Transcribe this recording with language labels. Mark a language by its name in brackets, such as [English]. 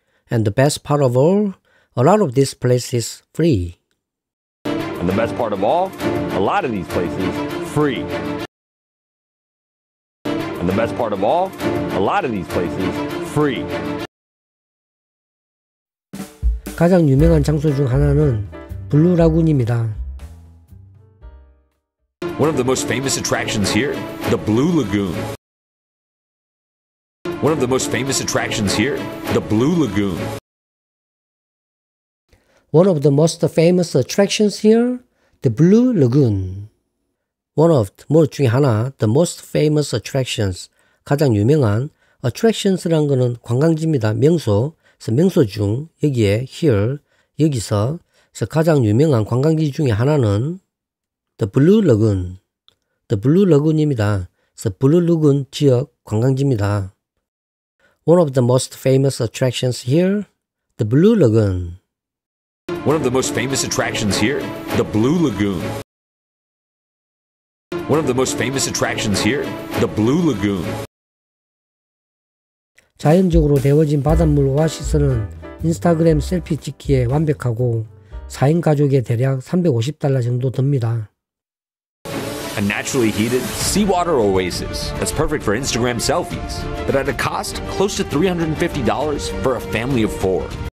[English] And the best part of all, a lot of these places free. And the best part of all, a lot of these places free. And the best part of all, a lot of these places free. [Korean] 가장 유명한 장소 중 하나는 블루 라군입니다. [English] One of the most famous attractions here, the Blue Lagoon. One of the most famous attractions here, the Blue Lagoon. One of the most famous attractions here, the Blue Lagoon. One of the, [Korean] 뭐 중에 하나, [English] the most famous attractions, [Korean] 가장 유명한 [English] attractions란 [Korean] 거는 관광지입니다. 명소, 그래서 명소 중 여기에 here, 여기서 그래서 가장 유명한 관광지 중에 하나는 the Blue Lagoon, the Blue Lagoon입니다. 그래서 Blue Lagoon 지역 관광지입니다. [English] One of the most famous attractions here, the Blue Lagoon. One of the most famous attractions here, the Blue Lagoon. One of the most famous attractions here, the Blue Lagoon. [Korean] 자연적으로 데워진 바닷물 오아시스는 인스타그램 셀피 찍기에 완벽하고 4인 가족에 대략 $350 정도 듭니다. [English] A naturally heated seawater oasis that's perfect for Instagram selfies, but at a cost close to $350 for a family of four.